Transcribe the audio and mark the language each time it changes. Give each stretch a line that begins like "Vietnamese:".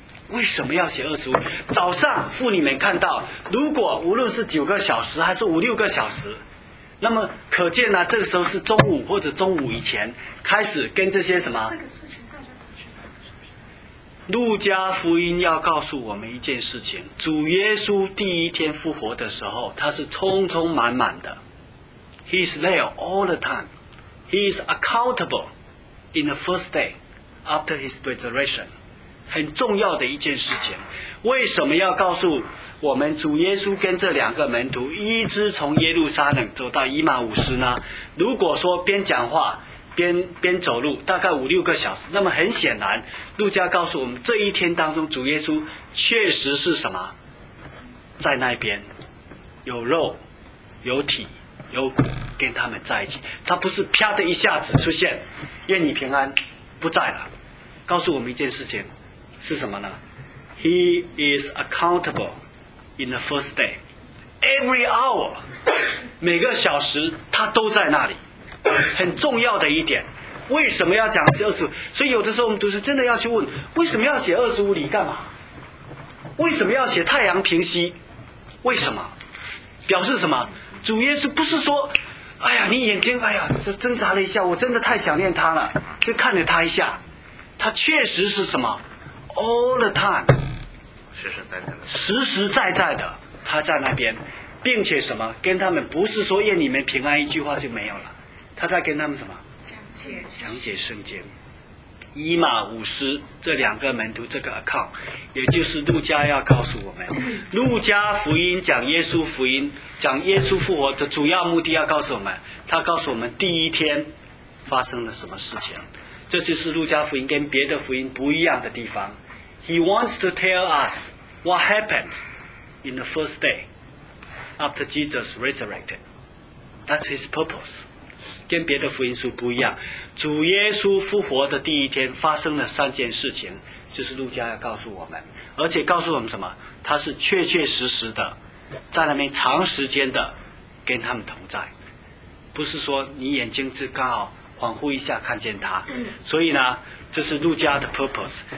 Chinese: 为什么要写二十五？早上妇女们看到，如果无论是九个小时还是五六个小时，那么可见呢、啊，这个时候是中午或者中午以前开始跟这些什么？这个事情大家都知道。路加福音要告诉我们一件事情：主耶稣第一天复活的时候，他是匆匆忙忙的。
English: He is there all the time. He is accountable in the first day after his resurrection.
Chinese: 很重要的一件事情，为什么要告诉我们主耶稣跟这两个门徒一直从耶路撒冷走到以马忤斯呢？如果说边讲话 边走路大概五六个小时，那么很显然路加告诉我们这一天当中主耶稣确实是什么，在那边有肉有体有骨跟他们在一起，他不是啪的一下子出现愿你平安不在了，告诉我们一件事情是什么呢？
English: He is accountable in the first day. Every hour,
Chinese: 每个小时他都在那里。很重要的一点，为什么要讲是二十五？所以有的时候我们读书真的要去问，为什么要写二十五里干嘛？为什么要写太阳平息？为什么？表示什么？主耶稣不是说，哎呀，你眼睛，哎呀，挣扎了一下，我真的太想念他了，就看了他一下。他确实是什么？
English: All the time，
Chinese: 实实在在的，实实在在的，他在那边，并且什么，跟他们不是说愿你们平安一句话就没有了，他在跟他们什么，讲解圣经，以马忤斯这两个门徒这个 account， 也就是路加要告诉我们，路加福音讲耶稣福音，讲耶稣复活的主要目的要告诉我们，他告诉我们第一天发生了什么事情。这就是路加福音跟别的福音不一样的地方。
English: He wants to tell us what happened in the first day after Jesus resurrected. That's his purpose.
Chinese: 跟别的福音书不一样。主耶稣复活的第一天发生了三件事情，就是路加要告诉我们，而且告诉我们什么？他是确确实实的在那边长时间的跟他们同在，不是说你眼睛只刚好恍惚一下看见他，所以呢，这是路加的 purpose。